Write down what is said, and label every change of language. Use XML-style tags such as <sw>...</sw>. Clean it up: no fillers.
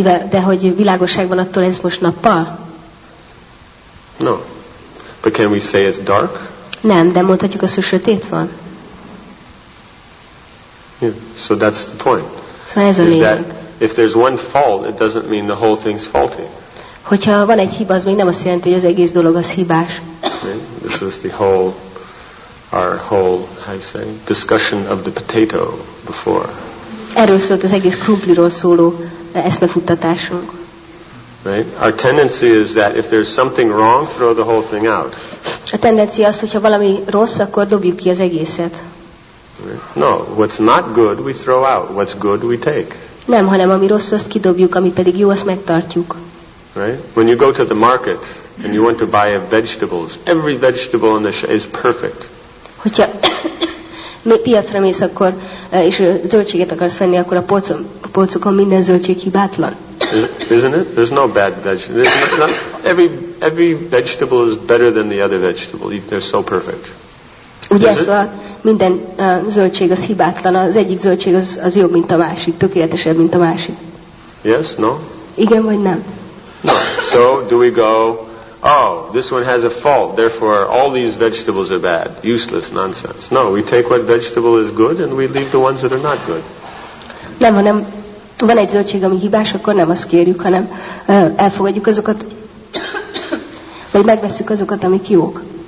<hu>De hogy világosság van, attól ez most nappal?</hu> <en>No. But can we say it's dark?</en> <hu>Nem, de mondhatjuk azt, hogy sötét van.</hu> <en>Yeah, so that's the point. So</en> <hu>ez a lényeg.</hu> <en>Is that if there's one fault, it doesn't mean the whole thing's faulty.</en> <hu>Hogyha van egy hiba, az még nem azt jelenti, hogy az egész dolog az hibás.</hu> <en>Okay. This was the whole, our whole, how you say, discussion of the potato before.</en> <hu>Erről szólt az egész krumpliról szóló eszmefuttatásunk.</hu> <en>Right? Our tendency is that if there's something wrong, throw the whole thing out.</en> <hu>A tendencia az, hogyha valami rossz, akkor dobjuk ki az egészet.</hu> <en>No, what's not good we throw out, what's good we take.</en> <hu>Nem, hanem ami rossz, azt kidobjuk, ami pedig jó, azt megtartjuk.</hu> <en>Right? When you go to the market and you want to buy vegetables, every vegetable in the shop is perfect.</en> <hu>Hogyha piacra mész, akkor és zöldséget akarsz venni, akkor a polcokon minden zöldség hibátlan.</hu> <en>Isn't it? There's no bad vegetable. Every vegetable is better than the other vegetable. They're so perfect.</en> <hu>Ugye ez a minden zöldség az hibátlan, az egyik zöldség az jobb, mint a másik, tökéletesebb, mint a másik.</hu> <en>Yes, no?</en> <hu>Igen, vagy nem?</hu> <en>No. So, do we go, oh, this one has a fault, therefore all these vegetables are bad, useless, nonsense. No, we take what vegetable is good, and we leave the ones that are not good.</en> <hu>Nem, hanem van egy zöldség, ami hibás, akkor nem azt kérjük, hanem elfogadjuk azokat, vagy megveszük azokat, amik jók.</hu>